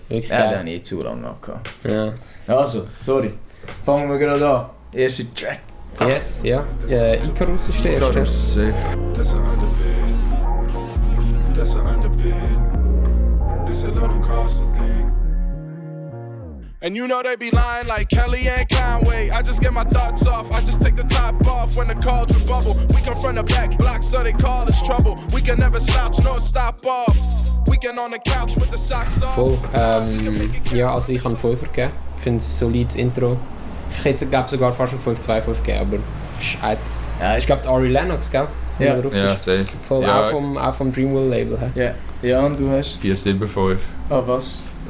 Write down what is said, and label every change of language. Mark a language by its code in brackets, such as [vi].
[de] Ja, den habe ich zu lange noch gehabt. Also, sorry. Fangen wir gerade an. Erste Track. Yes, ja. Icarus ist der erste. Icarus, safe. Das ist ein Bild. Das ist ein Bild. Das ist ein Lord und Castle Ding. [en] And you know they be lying like Kellyanne Conway. I just get my thoughts off, I just take the top off when the cauldron bubble. We come from the back block, so they call us trouble. We can never slouch, no stop off. We can on the couch with the socks off. [de] Voll, also ich kann 5 geben. Ich finde es ein solides Intro. Ich hätte es sogar fast schon 5-2-5 gegeben, aber scheit. Ja, ich glaube Ari Lennox, gell? Ja, safe. Voll, ja. Auch vom Dreamworld-Label, hä? Ja, und du hast? 4-7-5. Ah, was?